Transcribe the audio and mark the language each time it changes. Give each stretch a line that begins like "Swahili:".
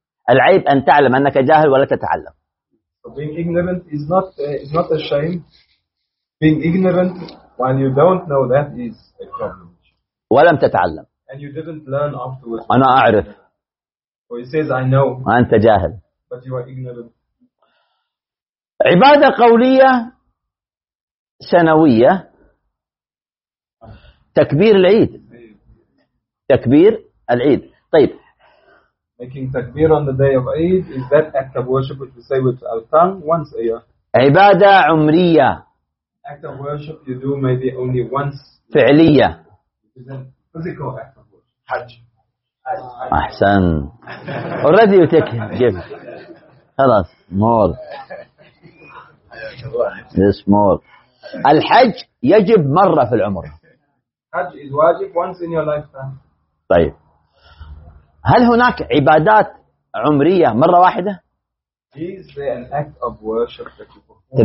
Arabic: العيب أن تعلم أنك جاهل ولا تتعلم.
English: So being ignorant is not a shame. Being ignorant when you don't know that is a problem.
Arabic: ولم تتعلم.
English: And you didn't learn afterwards.
Arabic: أنا أعرف.
English: Or he says, I know.
Arabic: أنت جاهل.
English: But you are ignorant.
Arabic: عبادة قولية سنوية. تكبير العيد. تكبير العيد. طيب.
English: Making takbir on the day of Eid is that act of worship which we say with our tongue once a year.
Arabic: عبادة عمرية.
English: Act of worship you do maybe only once.
Arabic: فعلية.
English: It is a physical act of worship.
Arabic: حج. أحسن.
English: Already you take it.
Arabic: خلاص.
English: More. This more.
Arabic: الحج يجب مرة في العمر.
English: حج is واجب once in your lifetime.
Arabic: طيب. هل هناك عبادات عمرية مرة واحدة؟
English: Is there an act of worship that you perform